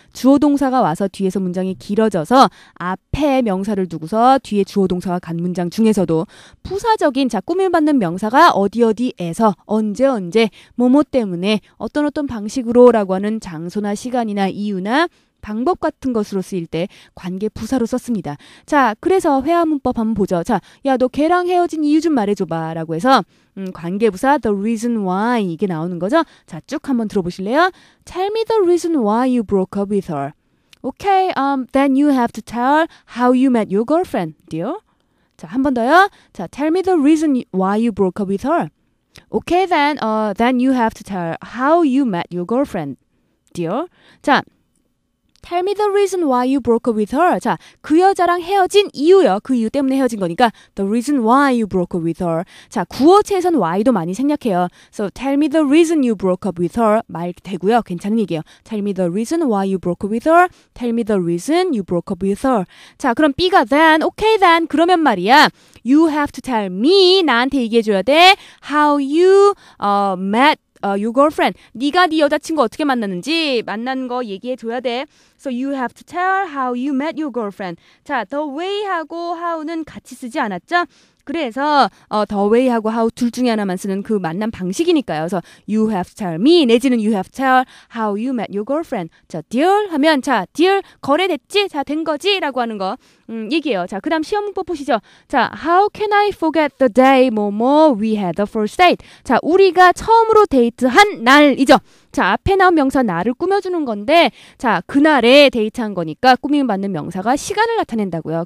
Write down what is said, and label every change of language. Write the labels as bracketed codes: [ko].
[ko] 주어동사가 와서 뒤에서 문장이 길어져서 앞에 명사를 두고서 뒤에 주어동사가 간 문장 중에서도 부사적인, 자, 꾸며받는 명사가 어디어디에서 언제 언제 뭐뭐 때문에 어떤 어떤 방식으로 라고 하는 장소나 시간이나 이유나 방법 같은 것으로 쓰일 때 관계 부사로 썼습니다. 자, 그래서 회화 문법 한번 보죠. 자, 야, 너 걔랑 헤어진 이유 좀 말해줘봐 라고 해서 관계 부사 [en] the reason why [ko] 이게 나오는 거죠. 자, 쭉 한번 들어보실래요? [en] Tell me the reason why you broke up with her. Okay, then you have to tell how you met your girlfriend, dear. [ko] 자, 한 번 더요. [en] 자, tell me the reason why you broke up with her. Okay, then you have to tell how you met your girlfriend, dear. 자, Tell me the reason why you broke up with her. [ko] 자, 그 여자랑 헤어진 이유요. 그 이유 때문에 헤어진 거니까 [en] The reason why you broke up with her. [ko] 자, 구어체에선 why도 많이 생략해요. [en] So tell me the reason you broke up with her. [ko] 말 되고요. 괜찮은 얘기예요. [en] Tell me the reason why you broke up with her. Tell me the reason you broke up with her. [ko] 자, 그럼 B가 [en] then. Okay then. [ko] 그러면 말이야. [en] You have to tell me. [ko] 나한테 얘기해줘야 돼. [en] How you met. Your girlfriend. [ko] 네가 네 여자친구 어떻게 만났는지 만난 거 얘기해줘야 돼. [en] So you have to tell how you met your girlfriend. [ko] 자, the way하고 how는 같이 쓰지 않았죠? 그래서 the way하고 how 둘 중에 하나만 쓰는 그 만남 방식이니까요. [en] 그래서 you have to tell me 내지는 you have to tell how you met your girlfriend. [ko] 자, dear 하면 자, dear 거래됐지? 자, 된 거지? 라고 하는 거 얘기해요. 자, 그 다음 시험 문법 보시죠. [en] 자, how can I forget the day 뭐뭐 we had the first date? [ko] 자, 우리가 처음으로 데이트한 날이죠. 자, 앞에 나온 명사 나를 꾸며주는 건데 자, 그날에 데이트한 거니까 꾸며받는 명사가 시간을 나타낸다고요.